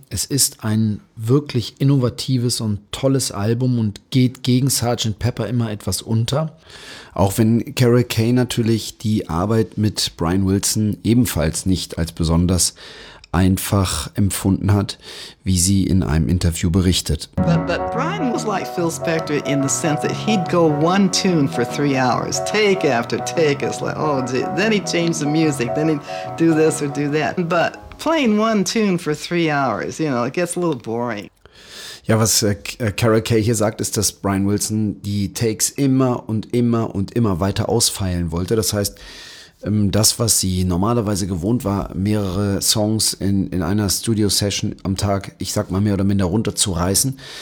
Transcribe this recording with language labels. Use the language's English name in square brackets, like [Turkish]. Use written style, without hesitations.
[German] Es ist ein wirklich innovatives und tolles Album und geht gegen Sgt. Pepper immer etwas unter. Auch wenn Carole Kaye natürlich die Arbeit mit Brian Wilson ebenfalls nicht als besonders einfach empfunden hat, wie sie in einem Interview berichtet. [English] But Brian was like Phil Spector in the sense that he'd go one tune for 3 hours, take after take. It's like, oh, gee. Then he'd change the music, then he'd do this or do that. But playing one tune for 3 hours, you know, it gets a little boring. [German] Ja, was Carole Kaye hier sagt, ist, dass Brian Wilson die Takes immer und immer und immer weiter ausfeilen wollte. Das heißt, das, was sie normalerweise gewohnt war, mehrere Songs in einer Studio-Session am Tag, ich sag mal mehr oder minder, runterzureißen.